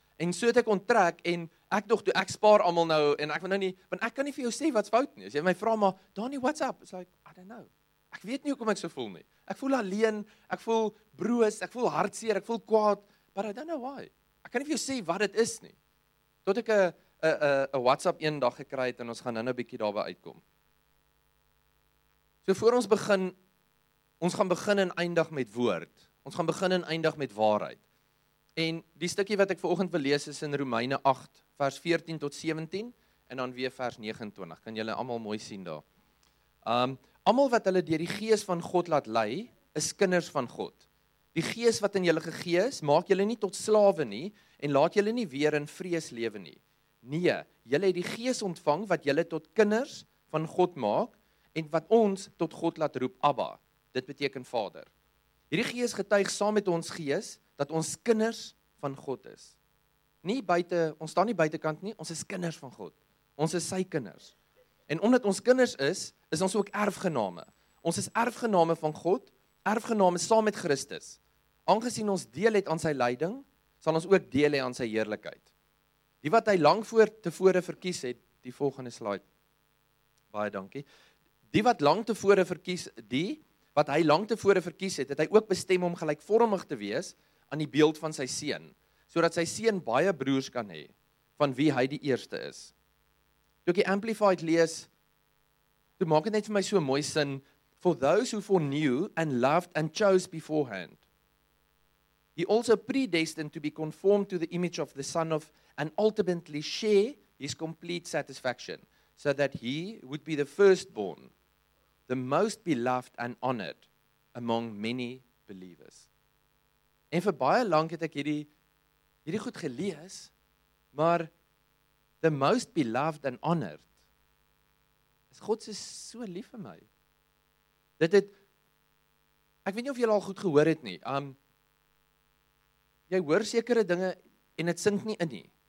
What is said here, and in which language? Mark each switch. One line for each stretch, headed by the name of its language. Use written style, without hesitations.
Afrikaans: En so het ek onttrek en ek dog toe, ek spaar almal nou en ek wil nou nie, want ek kan nie vir jou sê wat's fout nie. As jy my vra maar, Donnie,
English: what's up? It's like, I don't know.
Afrikaans: Ek weet nie hoekom ek so voel nie. Ek voel alleen, ek voel broos, ek voel hartseer, ek voel kwaad,
English: but I don't know why.
Afrikaans: Ek kan nie vir jou sê wat dit is nie. Tot ek 'n WhatsApp eendag gekry het en ons gaan nou 'n bietjie daarby uitkom. So voor ons begin, ons gaan begin en eindig met woord. Ons gaan begin en eindig met waarheid. En die stukkie wat ek vanoggend wil lees is in Romeine 8 vers 14 tot 17 en dan weer vers 29. Kan julle almal mooi sien daar. Almal wat hulle deur die gees van God laat lei, is kinders van God. Die gees wat in julle gegee is, maak julle nie tot slawe nie en laat julle nie weer in vrees lewe nie. Nee, julle het die gees ontvang wat julle tot kinders van God maak en wat ons tot God laat roep Abba. Dit beteken Vader. Hierdie gees getuig saam met ons gees dat ons kinders van God is. Nie buite, ons staan nie buitekant nie, ons is kinders van God. Ons is sy kinders. En omdat ons kinders is, is ons ook erfgename. Ons is erfgename van God, erfgename saam met Christus. Aangesien ons deel het aan sy lyding, sal ons ook deel hê aan sy heerlikheid. Die wat hy lank voor tevore verkies het, die volgende slide. Baie dankie. Die wat lank tevore verkies, die wat hy lank tevore verkies het, het hy ook bestem om gelykvormig te wees aan die beeld van sy seun, sodat sy seun baie broers kan hê, van wie hy die eerste is. Toe ek die Amplified lees, toe maak dit net vir my so mooi sin,
English: for those who foreknew and loved and chose beforehand, he also predestined to be conformed to the image of the Son of, and ultimately share his complete satisfaction, so that he would be the firstborn, the most beloved and honored among many believers.
Afrikaans: En vir baie lank het ek hierdie goed gelees, maar
English: the most beloved and honored,
Afrikaans: is God is so lief vir my. Dit het, ek weet nie of jy al goed gehoor het nie, jy hoor sekere dinge en het sink nie in nie.